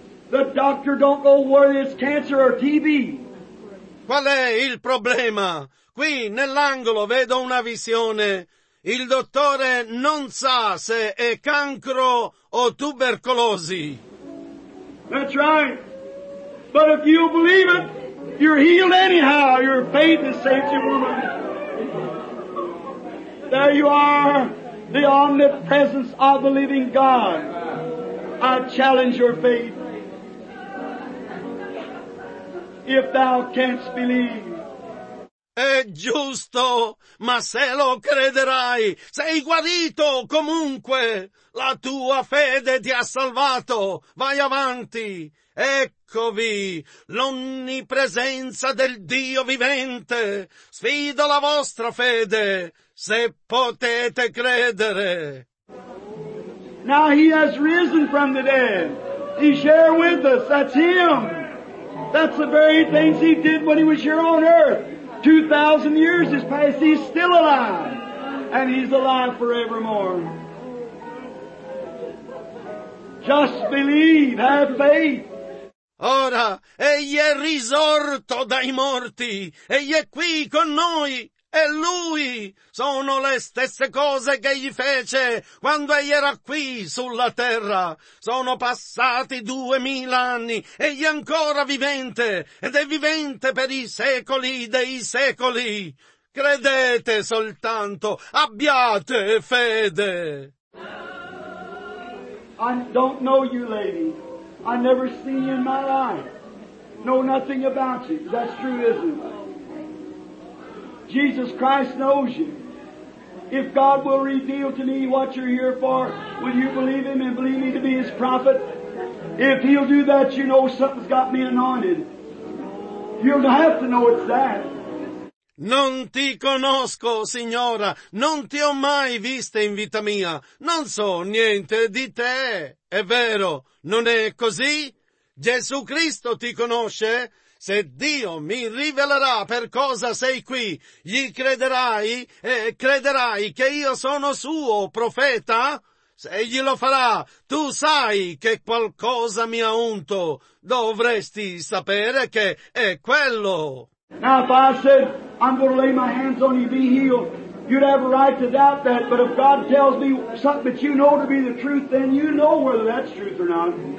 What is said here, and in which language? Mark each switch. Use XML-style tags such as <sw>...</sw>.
<en>The doctor don't know whether it's cancer or TB.</en> <it>Qual è il problema? Qui nell'angolo vedo una visione. Il dottore non sa se è cancro o tubercolosi.</it> <en>That's right. But if you believe it, you're healed anyhow. Your faith has saved you, woman. There you are, the omnipresence of the living God. I challenge your faith. If thou canst believe.</en> <it>È giusto, ma se lo crederai, sei guarito comunque. La tua fede ti ha salvato. Vai avanti. Eccovi, l'onnipresenza del Dio vivente. Sfido la vostra fede, se potete credere.</it> <en>Now he has risen from the dead. He's here with us. That's him. That's the very things he did when he was here on earth. 2,000 years has passed. He's still alive. And he's alive forevermore. Just believe. Have faith.</en> <it>Ora, egli è risorto dai morti, egli è qui con noi, è lui. Sono le stesse cose che egli fece quando egli era qui sulla terra. Sono passati 2000 anni, egli è ancora vivente, ed è vivente per i secoli dei secoli. Credete soltanto, abbiate fede.</it> <en>I don't know you, lady. I never seen you in my life. Know nothing about you. That's true, isn't it? Jesus Christ knows you. If God will reveal to me what you're here for, will you believe him and believe me to be his prophet? If he'll do that, you know something's got me anointed. You'll have to know it's that.</en> <it>Non ti conosco, signora. Non ti ho mai vista in vita mia. Non so niente di te. È vero, non è così? Gesù Cristo ti conosce? Se Dio mi rivelerà per cosa sei qui, gli crederai e crederai che io sono suo profeta? Se glielo farà, tu sai che qualcosa mi ha unto. Dovresti sapere che è quello.</it> <en>Now if I said, I'm going to lay my hands on you, be healed, you'd have a right to doubt that, but if God tells me something that you know to be the truth, then you know whether that's truth or not.</en>